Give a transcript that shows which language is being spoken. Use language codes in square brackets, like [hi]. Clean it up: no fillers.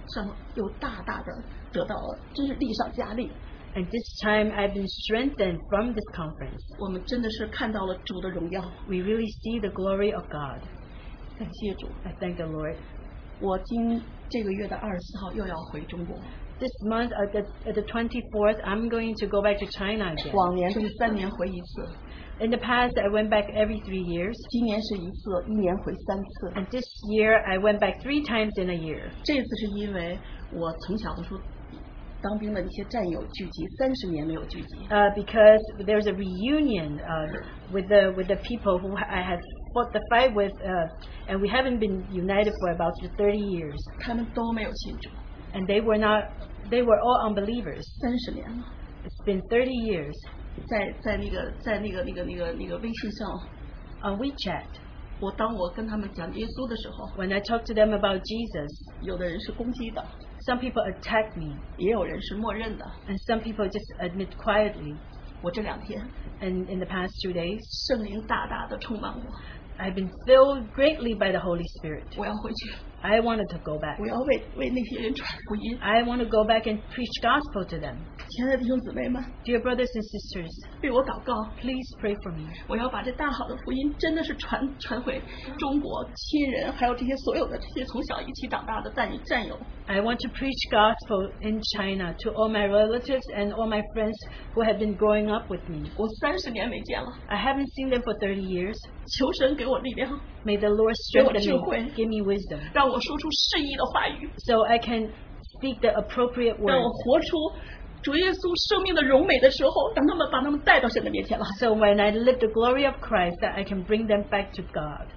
[zh] 我们真的是在这次课会上又大大的得到了，真是力上加力。 [en] And this time I've been strengthened from this conference. [zh] 我们真的是看到了主的荣耀。 [en] We really see the glory of God. [zh] 感谢主。 [en] I thank the Lord. [zh] 我今这个月的24号又要回中国。 [en] This month, at the 24th, I'm going to go back to China again. [zh] 往年是3年回一次。 [en] In the past, I went back every 3 years. [zh] 今年是一次，一年回3次。 [en] And this year, I went back 3 times in a year. [zh] 这次是因为我从小的时候当兵的一些战友聚集，30年没有聚集。 [en] Because there's a reunion with the people who I have fought the fight with, and we haven't been united for about 30 years. [zh] 他们都没有信主。 [en] And they were not, they were all unbelievers. [zh] 30年了。 [en] It's been 30 years. [zh] 在那个微信上, [en] on WeChat, [zh] 当我跟他们讲耶稣的时候, [en] when I talk to them about Jesus, [zh] 有的人是攻击的, [en] some people attack me, [zh] 也有人是默认的, [en] and some people just admit quietly. [zh] 我这两天, [en] and in the past 2 days, [zh] 圣灵大大的充满我, [en] I've been filled greatly by the Holy Spirit. [zh] 我要回去, [en] I wanted to go back. [zh] 我要为那些人传福音, [en] I want to go back and preach gospel to them. [zh] 亲爱的弟兄姊妹们, [en] dear brothers and sisters, [zh] 为我祷告, [en] please pray for me. [zh] 我要把这大好的福音真的是传回中国亲人, 还有这些所有的这些从小一起长大的战友。 [en] I want to preach gospel in China to all my relatives and all my friends who have been growing up with me. [zh] 我30年没见了, [en] I haven't seen them for 30 years. [zh] 求神给我力量, [en] may the Lord strengthen [zh] 给我智慧, [en] me, give me wisdom, [zh] 让我说出适宜的话语, [en] so I can speak the appropriate words. [zh] 让我活出 主耶稣生命的荣美的时候, 把他们带到神的面前了。 [en] So when I live the glory of Christ, that I can bring them back to God.